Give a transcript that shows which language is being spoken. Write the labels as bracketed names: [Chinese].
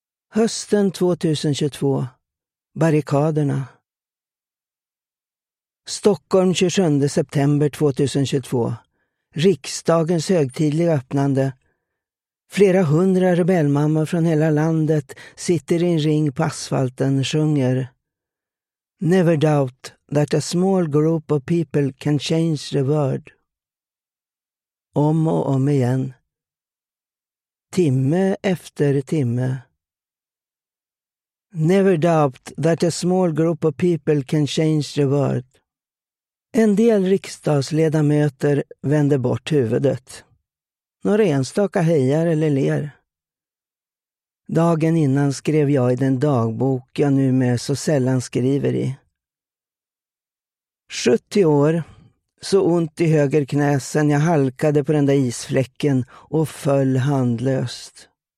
[Swedish] Hösten 2022. Barrikaderna. Stockholm 27 september 2022. Riksdagens högtidliga öppnande. Flera hundra rebellmammor från hela landet sitter i en ring på asfalten och sjunger. [English] Never doubt that a small group of people can change the world. [Swedish] Om och om igen. Timme efter timme. [English] Never doubt that a small group of people can change the world. [Swedish] En del riksdagsledamöter vänder bort huvudet. Några enstaka hejar eller ler. Dagen innan skrev jag i den dagbok jag nu med så sällan skriver i. 70 år, så ont i höger knä sen jag halkade på den där isfläcken och föll handlöst.